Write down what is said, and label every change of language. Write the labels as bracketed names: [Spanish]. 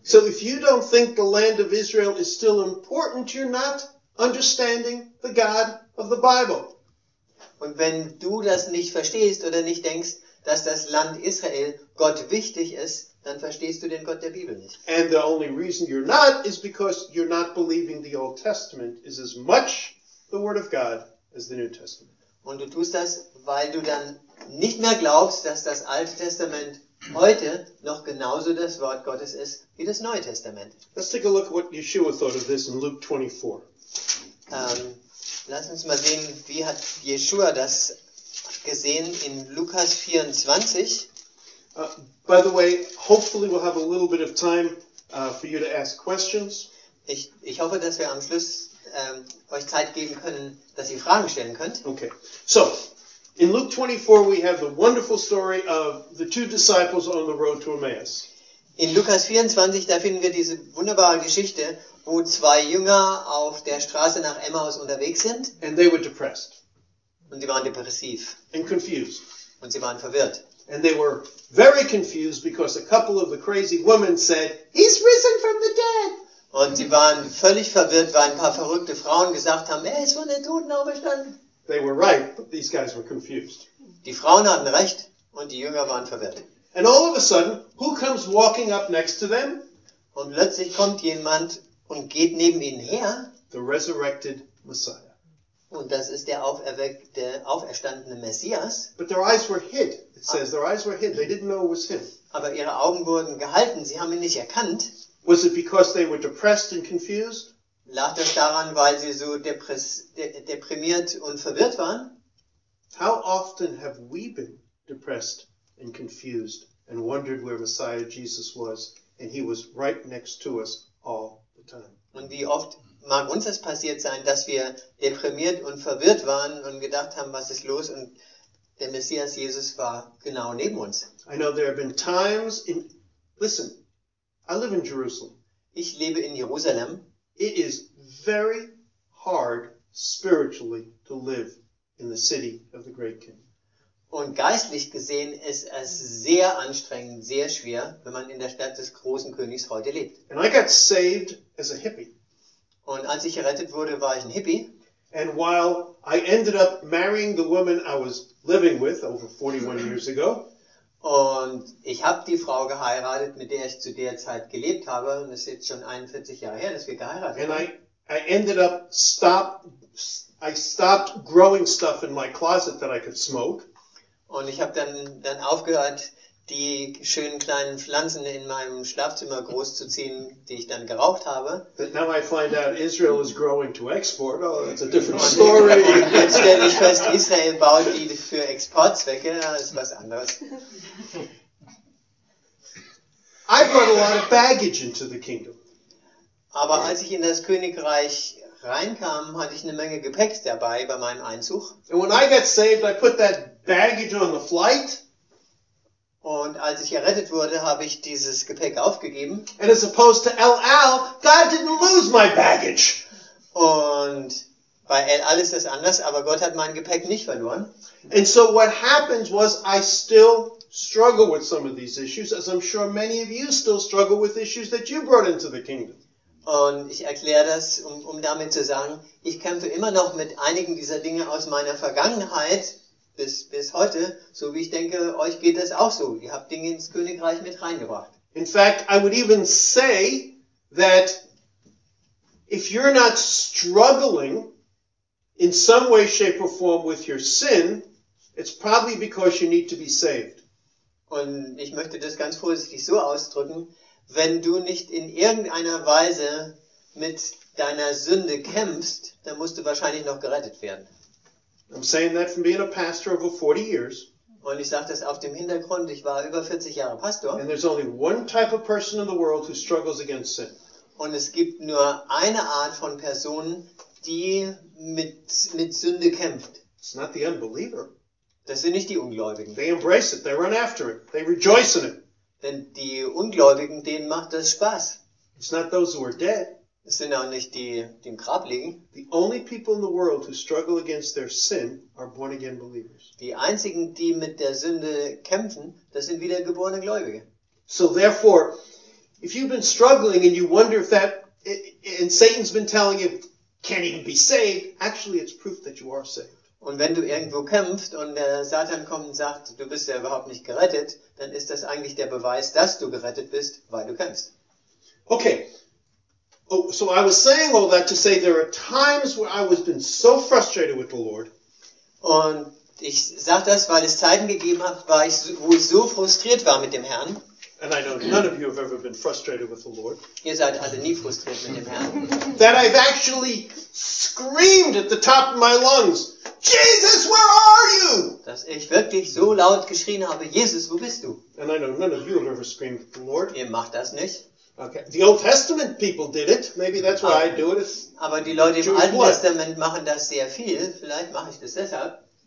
[English] So if you don't think the land of Israel is still important, you're not understanding the God of the Bible. [German] Und wenn du das nicht verstehst oder nicht denkst, dass das Land Israel Gott wichtig ist, dann verstehst du den Gott der Bibel nicht. [English] And the only reason you're not is because you're not believing the Old Testament is as much the Word of God as the New Testament. [German] Und du tust das, weil du dann nicht mehr glaubst, dass das Alte Testament heute noch genauso das Wort Gottes ist wie das Neue Testament. [English] Let's take a look at what Yeshua thought of this in Luke 24. [German] Lass uns mal sehen, wie hat Yeshua das gesehen in Lukas 24. [English] By the way, hopefully we'll have a little bit of time for you to ask questions. [German] Ich hoffe, dass wir am Schluss euch Zeit geben können, dass ihr Fragen stellen könnt. [English] Okay, so in Luke 24 we have the wonderful story of the two disciples on the road to Emmaus. [German] In Lukas 24 da finden wir diese wunderbare Geschichte, wo zwei Jünger auf der Straße nach Emmaus unterwegs sind. [English] And they were depressed. [German] Und sie waren depressiv. [English] And confused. [German] Und sie waren verwirrt. [English] And they were very confused because a couple of the crazy women said, "He's risen from the dead." [German] Und sie waren völlig verwirrt, weil ein paar verrückte Frauen gesagt haben, er ist von den Toten auferstanden. [English] They were right, but these guys were confused. [German] Die Frauen hatten recht und die Jünger waren verwirrt. [English] And all of a sudden, who comes walking up next to them? [German] Und plötzlich kommt jemand und geht neben ihnen her. [English] The resurrected Messiah. [German] Und das ist der auferstandene Messias. [English] But their eyes were hid. It says their eyes were hid. They didn't know it was him. [German] Aber ihre Augen wurden gehalten. Sie haben ihn nicht erkannt. [English] Was it because they were depressed and confused? [German] Lag das daran, weil sie so deprimiert und verwirrt waren? [English] How often have we been depressed and confused and wondered where Messiah Jesus was, and he was right next to us all the time? [German] Und wie oft mag uns das passiert sein, dass wir deprimiert und verwirrt waren und gedacht haben, was ist los, und der Messias Jesus war genau neben uns? [English] I know there have been times in, listen, I live in Jerusalem. [German] Ich lebe in Jerusalem. [English] It is very hard spiritually to live in the city of the great king. [German] Und geistlich gesehen ist es sehr anstrengend, sehr schwer, wenn man in der Stadt des großen Königs heute lebt. [English] And I got saved as a hippie. [German] Und als ich gerettet wurde, war ich ein Hippie. [English] And while I ended up marrying the woman I was living with over 41 years ago, [German] und ich habe die Frau geheiratet, mit der ich zu der Zeit gelebt habe, und es ist jetzt schon 41 Jahre her, dass wir geheiratet haben. [English] And I stopped growing stuff in my closet that I could smoke. [German] Und ich habe dann aufgehört, die schönen kleinen Pflanzen in meinem Schlafzimmer großzuziehen, die ich dann geraucht habe. [English] But now I find out Israel is growing to export. Oh, that's a different story. [German] Und jetzt stelle ich fest, Israel baut die für Exportzwecke. Das ist was anderes. [English] I brought a lot of baggage into the kingdom. [German] Aber als ich in das Königreich reinkam, hatte ich eine Menge Gepäck dabei bei meinem Einzug. [English] And when I got saved, I put that baggage on the flight. [German] Und als ich errettet wurde, habe ich dieses Gepäck aufgegeben. [English] And as opposed to El Al, God didn't lose my baggage. [German] Und bei El Al ist das anders, aber Gott hat mein Gepäck nicht verloren. [English] And so what happens was I still struggle with some of these issues, as I'm sure many of you still struggle with issues that you brought into the kingdom. [German] Und ich erkläre das, um damit zu sagen, ich kämpfe immer noch mit einigen dieser Dinge aus meiner Vergangenheit. Bis heute, so wie ich denke, euch geht das auch so. Ihr habt Dinge ins Königreich mit reingebracht. [English] In fact, I would even say that if you're not struggling in some way, shape or form with your sin, it's probably because you need to be saved. [German] Und ich möchte das ganz vorsichtig so ausdrücken, wenn du nicht in irgendeiner Weise mit deiner Sünde kämpfst, dann musst du wahrscheinlich noch gerettet werden. [English] I'm saying that from being a pastor over 40 years. [German] Und ich sage das auf dem Hintergrund, ich war über 40 Jahre Pastor. [English] And there's only one type of person in the world who struggles against sin. [German] Und es gibt nur eine Art von Person, die mit Sünde kämpft. [English] It's not the unbeliever. [German] Das sind nicht die Ungläubigen. [English] They embrace it, they run after it, they rejoice in it. [German] Denn die Ungläubigen, denen macht das Spaß. [English] It's not those who are dead. [German] Es sind auch nicht die, die im Grab liegen. [English] The only people in the world who struggle against their sin are born again believers. [German] Die einzigen, die mit der Sünde kämpfen, das sind wiedergeborene Gläubige. [English] So therefore, if you've been struggling and you wonder if that, and Satan's been telling you, can't even be saved, actually it's proof that you are saved. [German] Und wenn du irgendwo kämpfst und der Satan kommt und sagt, du bist ja überhaupt nicht gerettet, dann ist das eigentlich der Beweis, dass du gerettet bist, weil du kämpfst. [English] Okay. Oh, so I was saying all that to say there are times where I was been so frustrated with the Lord. [German] Und Ich sage das, weil es Zeiten gegeben hat, wo ich so frustriert war mit dem Herrn. [English] And I know none of you have ever been frustrated with the Lord. [German] Ihr seid also nie frustriert mit dem Herrn. [English] That I've actually screamed at the top of my lungs, Jesus, where are you? [German] Dass ich wirklich so laut geschrien habe, Jesus, wo bist du? [English] And I know none of you have ever screamed at the Lord. [German] Ihr macht das nicht. [English] Okay. The Old Testament people did it. Maybe that's why I do it. [German] Aber die Leute im Alten Testament machen das sehr viel. Vielleicht mache ich das deshalb.